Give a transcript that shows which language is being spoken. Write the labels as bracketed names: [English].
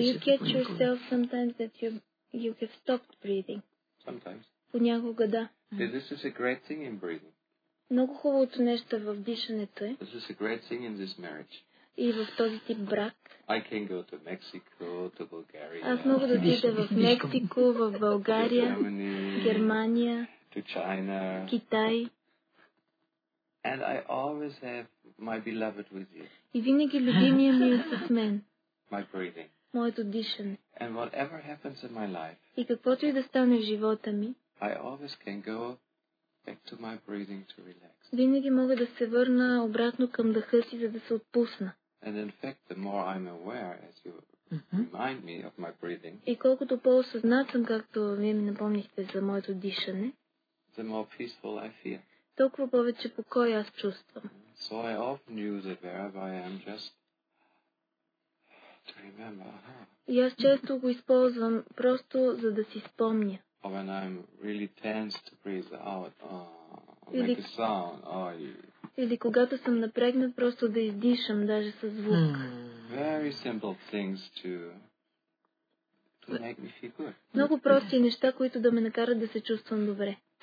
[English] Do you catch yourself sometimes that you have stopped breathing? Sometimes. [Bulgarian] Понякога да. [English] This is a great thing in breathing. [Bulgarian] Много хубавото нещо в дишането е. [English] This is a great thing in this marriage. [Bulgarian] И в този тип брак. [English] I can go to Mexico, to Bulgaria. [Bulgarian] Аз мога да отида в Мексико, в България, Германия, [English] to China, [Bulgarian] Китай. [English] And I always have my beloved with you. [Bulgarian] И винаги любимия ми е с мен. [English] My breathing. [Bulgarian] Моето дишане. [English] And whatever happens in my life. [Bulgarian] И каквото и да стане в живота ми. [English] I always can go back to my breathing to relax. [Bulgarian] Винаги мога да се върна обратно към дъха си, за да се отпусна. [English] And in fact, the more I'm aware, as you remind me of my breathing. [Bulgarian] И колкото по-осъзнат съм, както вие ми напомнихте за моето дишане, [English] the more peaceful I feel. [Bulgarian] Толкова повече покой аз чувствам. [English] So I often use it wherever I am, just to remember. [Bulgarian] И аз често го използвам просто за да си спомня. [English] Or when I'm really tense to breathe out, or make a sound, or [Bulgarian] или когато съм напрегнат, просто да издишам, даже със звук. [English] Very simple things to make me feel good. [Bulgarian] Много прости неща, които да ме накарат да се чувствам добре.